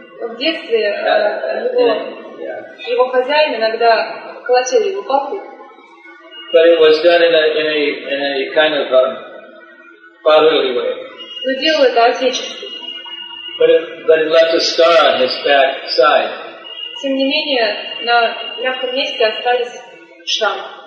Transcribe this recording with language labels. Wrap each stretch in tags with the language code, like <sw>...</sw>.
<ru>В детстве его хозяин иногда колотил его палкой.</ru> <en>But it was done in a kind of fatherly way. But it left a scar on his back side.</en> <ru>Тем не менее, на мягком месте остались шрамы.</ru>